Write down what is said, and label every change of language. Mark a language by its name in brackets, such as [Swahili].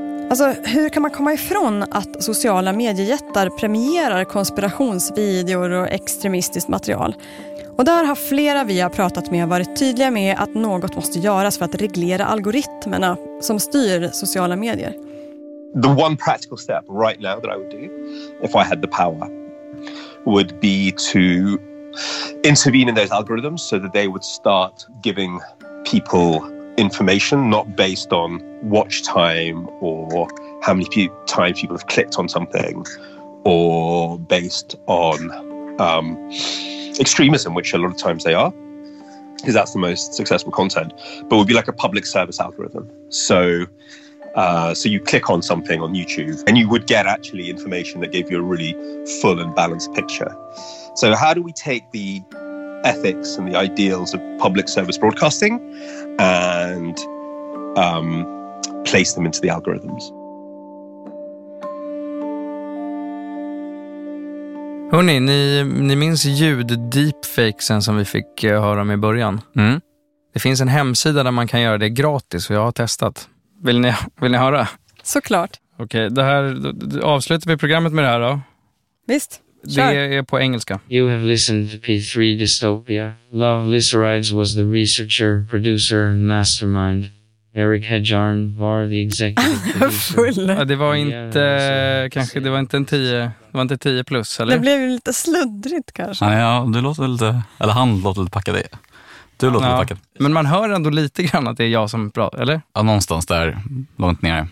[Swedish] Alltså, hur kan man komma ifrån att sociala mediejättar premierar konspirationsvideor och extremistiskt material? Och där har flera vi har pratat med varit tydliga med att något måste göras för att reglera algoritmerna som styr sociala medier. [English] The one practical step right now that I would do if I had the power would be to intervene in those algorithms so that they would start giving people information not based on watch time or how many times people have clicked on something or based on extremism, which a lot of times they are, because that's the most successful content, but would be like a public service algorithm. So you click on something on YouTube and you would get actually information that gave you a really full and balanced picture. So how do we take the ethics and the ideals of public service broadcasting and place them into the algorithms? [Swedish] Hörrni, ni minns ljud-deepfakesen som vi fick höra om i början? Mm. Det finns en hemsida där man kan göra det gratis och jag har testat. Vill ni höra? Såklart. Okej, det här, avslutar vi programmet med det här då? Visst, kör. Det är på engelska. [English] You have listened to P3 Dystopia. Love Lycerides was the researcher, producer and mastermind. Eric Hedjarn var the executive. [Swedish] Ja, det var inte kanske, det var inte en 10, det var inte 10 plus eller? Det blev ju lite sluddrigt kanske. Nej, ja, du låter lite, eller han låter lite packa det. Du låter lite packa. Men man hör ändå lite grann att det är jag som pratar, eller? Ja, någonstans där långt ner.